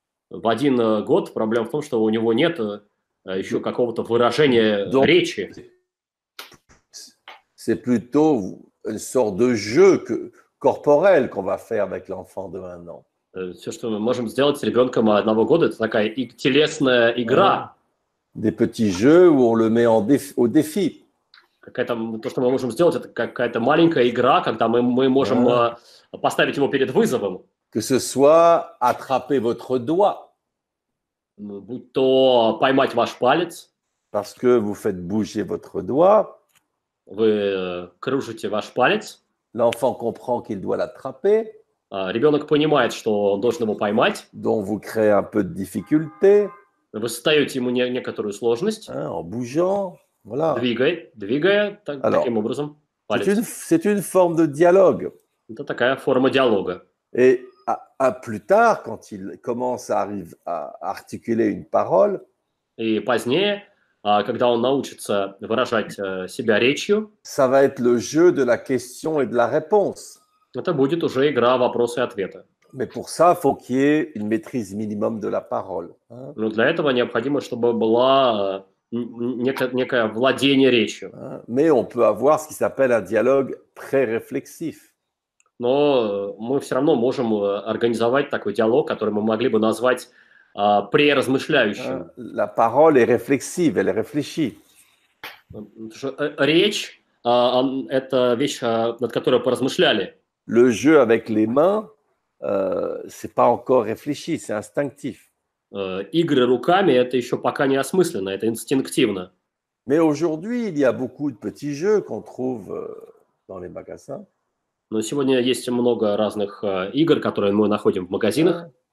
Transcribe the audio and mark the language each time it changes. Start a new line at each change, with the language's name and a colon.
Russian: В 1 год проблема в том, что у него нет еще какого-то выражения donc, речи.
French: C'est plutôt une sorte de jeu corporel qu'on va faire avec l'enfant de 1 an.
Russian: Все, что мы можем сделать с ребенком 1 года, это такая телесная игра.
French: Des petits jeux où on le met au défi.
Russian: Какая-то то, что мы можем сделать, это какая-то маленькая игра, когда мы можем поставить его перед вызовом.
French: Que ce soit attraper votre doigt.
Russian: Будь то поймать ваш палец.
French: Parce que vous faites bouger votre doigt.
Russian: Вы кружите ваш палец.
French: L'enfant comprend qu'il doit l'attraper.
Russian: Ребенок понимает, что он должен его поймать.
French: Donc vous créez un peu de difficulté.
Russian: Вы создаете ему некоторую сложность.
French: Hein, en bougeant, voilà.
Russian: Двигая Alors, таким образом палец.
French: C'est une forme de dialogue.
Russian: Это такая форма диалога.
French: Et à plus tard, quand il commence à articuler une parole,
Russian: et позднее, когда он научится выражать себя речью,
French: ça va être le jeu de la question et de la réponse.
Russian: Это будет уже игра вопроса и ответа.
French: Mais pour ça, faut qu'il y ait une maîtrise minimum de la parole. Hein?
Russian: Но для этого необходимо, чтобы была некое владение речью.
French: Hein? Mais on peut avoir ce qui s'appelle un dialogue pré-réflexif.
Russian: Но мы все равно можем организовать такой диалог, который мы могли бы назвать преразмышляющим.
French: La parole est réflexive, elle réfléchit.
Russian: Речь – это вещь, над которой поразмышляли.
French: Le jeu avec les mains, c'est pas encore réfléchi, c'est instinctif.
Russian: Игры руками – это еще пока не осмысленно, это инстинктивно.
French: Mais aujourd'hui, il y a beaucoup de petits jeux qu'on trouve dans les magasins.
Russian: Но сегодня есть много разных игр, которые мы находим в магазинах.